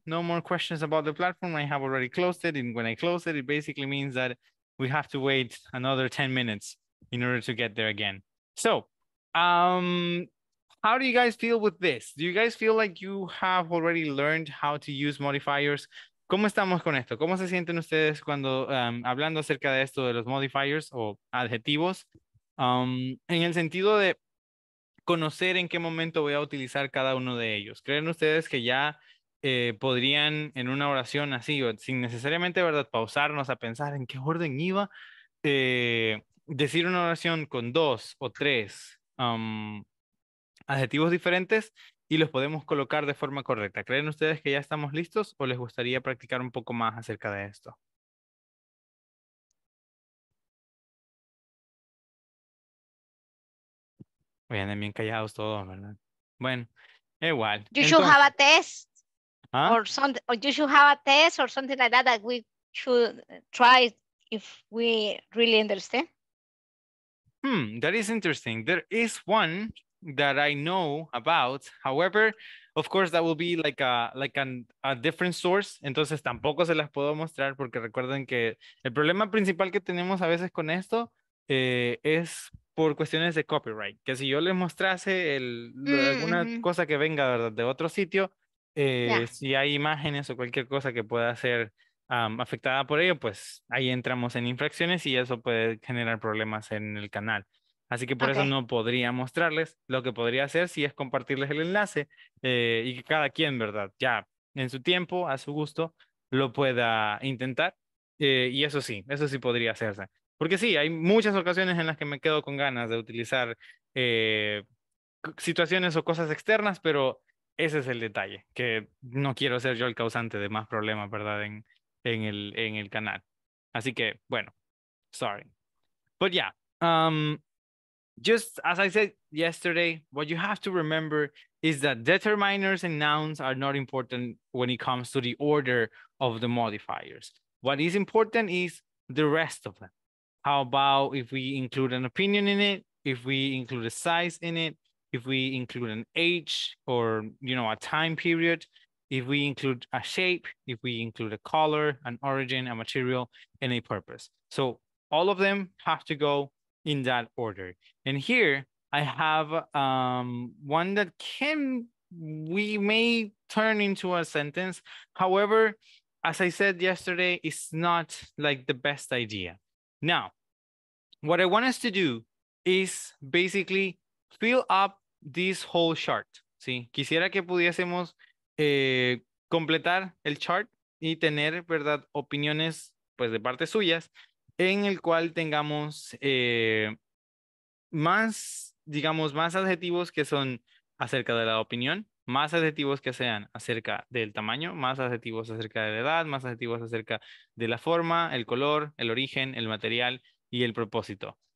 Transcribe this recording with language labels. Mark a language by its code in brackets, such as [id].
[en] No more questions about the platform. I have already closed it. And when I close it, it basically means that we have to wait another 10 minutes in order to get there again. So how do you guys feel with this? Do you guys feel like you have already learned how to use modifiers? [es] ¿Cómo estamos con esto? ¿Cómo se sienten ustedes cuando hablando acerca de esto de los modifiers o adjetivos? En el sentido de conocer en qué momento voy a utilizar cada uno de ellos. ¿Creen ustedes que ya podrían en una oración así, sin necesariamente, ¿verdad?, pausarnos a pensar en qué orden iba, decir una oración con dos o tres adjetivos diferentes y los podemos colocar de forma correcta. ¿Creen ustedes que ya estamos listos o les gustaría practicar un poco más acerca de esto? Oigan, bien callados todos, ¿verdad? Bueno, igual. [en] You should have a test. ¿Ah? Or something, or you should have a test or something like that that we should try if we really understand. That is interesting. There is one that I know about. However, of course, that will be like a different source. [es] Entonces, tampoco se las puedo mostrar porque recuerden que el problema principal que tenemos a veces con esto es por cuestiones de copyright. Que si yo les mostrase alguna cosa que venga de otro sitio, si hay imágenes o cualquier cosa que pueda ser afectada por ello, pues ahí entramos en infracciones y eso puede generar problemas en el canal. Así que por eso no podría mostrarles. Lo que podría hacer sí es compartirles el enlace y que cada quien, ¿verdad? Ya en su tiempo, a su gusto, lo pueda intentar. Y eso sí podría hacerse. Porque sí, hay muchas ocasiones en las que me quedo con ganas de utilizar situaciones o cosas externas, pero ese es el detalle, que no quiero ser yo el causante de más problemas, ¿verdad? En el canal. Así que, bueno, sorry. [en] But yeah, just as I said yesterday, what you have to remember is that determiners and nouns are not important when it comes to the order of the modifiers. What is important is the rest of them. How about if we include an opinion in it, if we include a size in it, if we include an age or, you know, a time period, if we include a shape, if we include a color, an origin, a material, and a purpose. So all of them have to go in that order. And here I have one that we may turn into a sentence. However, as I said yesterday, it's not like the best idea. Now, what I want us to do is basically fill up this whole chart. [es] ¿Sí? Quisiera que pudiésemos completar el chart y tener, ¿verdad?, opiniones pues de parte suyas en el cual tengamos más, digamos, más adjetivos que son acerca de la opinión, más adjetivos que sean acerca del tamaño, más adjetivos acerca de la edad, más adjetivos acerca de la forma, el color, el origen, el material y el propósito.